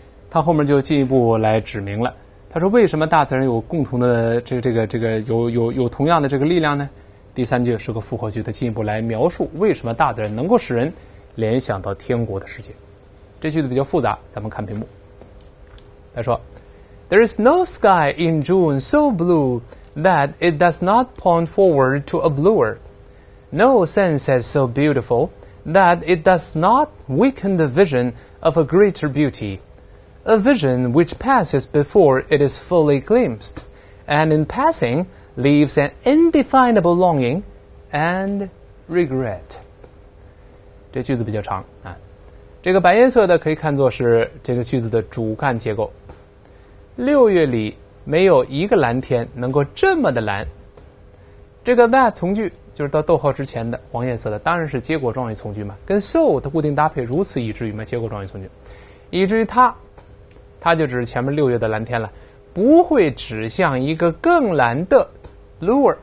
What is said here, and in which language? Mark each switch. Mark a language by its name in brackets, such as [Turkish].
[Chinese] 他后面就进一步来指明了，他说为什么大自然有共同的这个有同样的这个力量呢？第三句是个复合句，他进一步来描述为什么大自然能够使人联想到天国的世界。这句子比较复杂，咱们看屏幕。他说 [English] There is no sky in June so blue that it does not point forward to a bluer. No sunset so beautiful that it does not weaken the vision of a greater beauty. A vision which passes before it is fully glimpsed, and in passing leaves an indefinable longing and regret. [Chinese] 这句子比较长啊，这个白颜色的可以看作是这个句子的主干结构。六月里没有一个蓝天能够这么的蓝。这个 that 从句就是到逗号之前的黄颜色的，当然是结果状语从句嘛，跟 so 的固定搭配，如此以至于嘛，结果状语从句，以至于它就指前面六月的蓝天了，不会指向一个更蓝的 bluer。